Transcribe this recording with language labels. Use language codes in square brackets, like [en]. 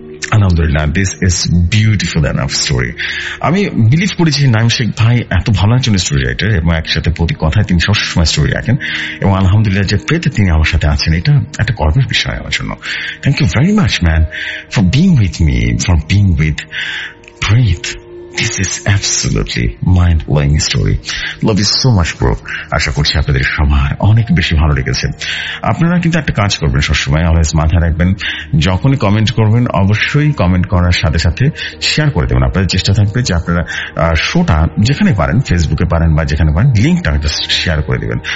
[bn] আলহামদুলিল্লাহ, [en] This is beautiful enough story. [bn] আমি believe করেছি নাইমশেক ভাই এত ভালো একজন স্টোরি রাইটার এবং একসাথে প্রতি কথায় তিনি সবসময় স্টোরি রাখেন, এবং আলহামদুলিল্লাহ যে পেতে তিনি আমার সাথে আছেন এটা একটা গর্বের বিষয় আমার জন্য। [en] Thank you very much man for being with me, for being with Preet. This is absolutely mind-blowing story. Love you so much, bro. [bn] আশা করছি আপনাদের সময় অনেক বেশি ভালো লেগেছে। আপনারা কিন্তু একটা কাজ করবেন, সবসময় অলওয়েজ মাথায় রাখবেন, যখনই কমেন্ট করবেন অবশ্যই কমেন্ট করার সাথে সাথে শেয়ার করে দেবেন। আপনাদের চেষ্টা থাকবে যে আপনারা শোটা যেখানে পারেন, ফেসবুকে পারেন বা যেখানে পারেন, লিঙ্কটা শেয়ার করে দেবেন।